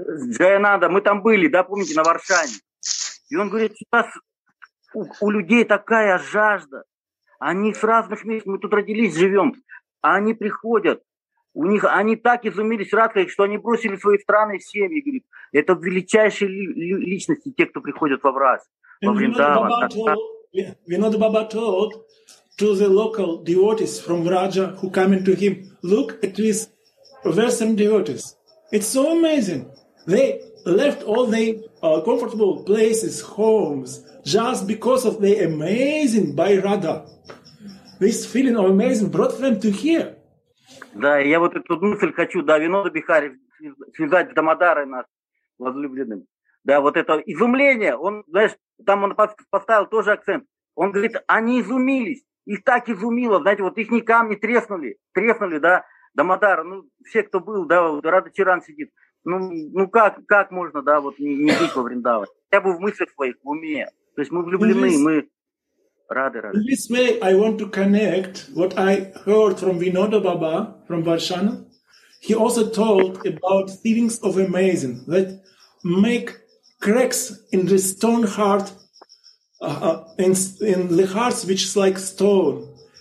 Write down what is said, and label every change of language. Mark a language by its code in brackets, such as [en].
[ru] Джаянанда, мы там были, да, помните, на Варшаве. И он говорит, сейчас у людей такая жажда. Они с разных мест, мы тут родились, живем. А они приходят. У них они так изумились, Радха, что они бросили свои страны и семьи. Говорит, это величайшие личности, те, кто приходят во враз. Во Вриндаван. [en] Винода Баба told to the local devotees from Vraja who come into him, look at these Versam devotees. It's so amazing. They left all their comfortable places, homes, just because of the amazing Bhai Radha. This feeling of amazing brought them to here. [ru] Да, я вот эту мысль хочу, да, Винода Бихари связать с Дамодарой нас возлюбленным. Да, вот это изумление, он, знаешь, там он поставил тоже акцент. Он говорит, они изумились, их так изумило, знаете, вот их камни треснули, да, Дамодара, ну, все, кто был, да, вот Рада Чиран сидит. Ну как можно, да, вот не быть во Вриндаве? Хотя бы в мыслях своих, в уме. То есть мы влюблены, мы рады. [en] In this way, I want to connect what I heard from Vinoda Baba, from Varshana. He also told about feelings of amazing, that make cracks in the stone heart, in the hearts which is like stone.